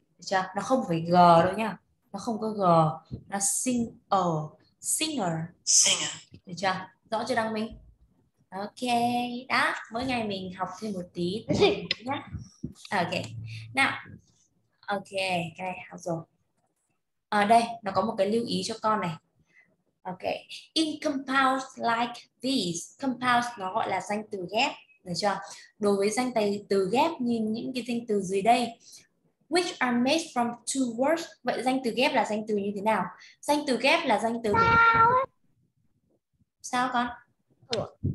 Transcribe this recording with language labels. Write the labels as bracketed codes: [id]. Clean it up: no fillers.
[vi] Được chưa? Nó không phải g đâu nhá. Nó không có g. Nó singer. Singer. [en] Singer. [vi] Được chưa? Rõ chưa Đăng Minh? Ok, đó, mỗi ngày mình học thêm một tí nhá. Ok, nào. Ok, cái này học rồi. Ở đây, nó có một cái lưu ý cho con này. [en] Ok, in compounds like these. [vi] Compounds nó gọi là danh từ ghép, được chưa? Đối với danh từ ghép như những cái danh từ dưới đây, [en] which are made from two words. [vi] Vậy danh từ ghép là danh từ như thế nào? Danh từ ghép là danh từ... Sao con? Ủa?